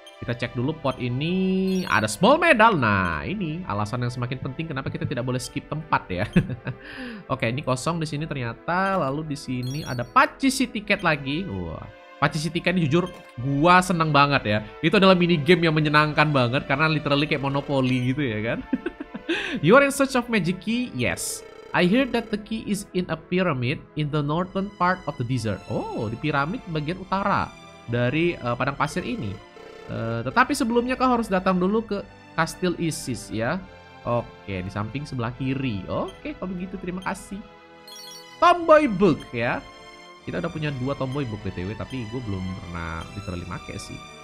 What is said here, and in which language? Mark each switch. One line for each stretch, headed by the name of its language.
Indonesian: Kita cek dulu pot ini, ada small medal. Nah, ini alasan yang semakin penting kenapa kita tidak boleh skip tempat ya. Oke, ini kosong di sini ternyata. Lalu di sini ada Pachisi Ticket lagi. Wah, Pachisi Ticket ini jujur gua seneng banget ya. Itu adalah mini game yang menyenangkan banget karena literally kayak monopoli gitu ya kan.
English: You are in search of magic key? Yes. I hear that the key is in a pyramid in the northern part of the desert.
Indonesian: Oh, di piramid bagian utara dari padang pasir ini. Tetapi sebelumnya kau harus datang dulu ke Kastil Isis ya. Oke, di samping sebelah kiri. Oke, kalau begitu terima kasih. Tomboy Book ya. Kita udah punya 2 Tomboy Book BTW, tapi gue belum pernah literally make sih.